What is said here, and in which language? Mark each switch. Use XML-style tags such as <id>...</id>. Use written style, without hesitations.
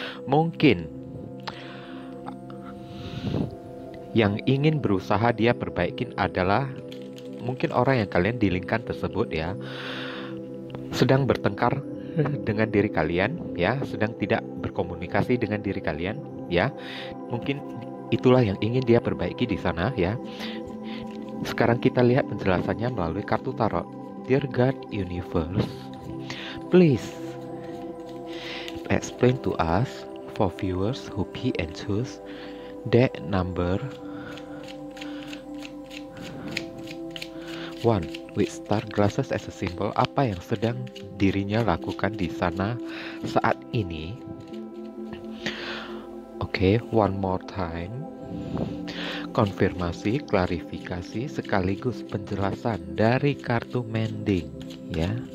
<id>Mungkin yang ingin berusaha dia perbaikin adalah mungkin orang yang kalian dealingkan tersebut ya, sedang bertengkar dengan diri kalian ya, sedang tidak berkomunikasi dengan diri kalian ya. Mungkin itulah yang ingin dia perbaiki di sana ya. Sekarang kita lihat penjelasannya melalui kartu tarot.</id> <en>Dear God Universe, please explain to us for viewers who pee and choose deck number 1 with star glasses as a symbol.</en> <id>Apa yang sedang dirinya lakukan di sana saat ini? Oke, okay,</id> <en>one more time.</en> <id>Konfirmasi, klarifikasi, sekaligus penjelasan dari kartu mending ya.</id>